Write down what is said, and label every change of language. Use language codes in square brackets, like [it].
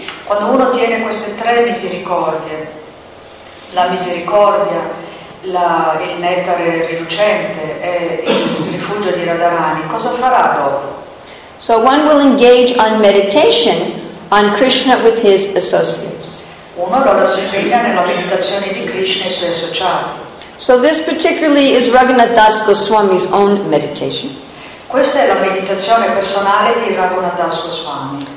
[it] Quando uno tiene queste tre misericordie, la misericordia, il nettare riducente e il rifugio di Radharani, cosa farà dopo? [en] So one will engage on meditation on Krishna with his associates. [it] Uno allora si impegna nella meditazione di Krishna e i suoi associati. [en] So this particularly is Raghunath Das Goswami's own meditation. [it] Questa è la meditazione personale di Raghunath Das Goswami.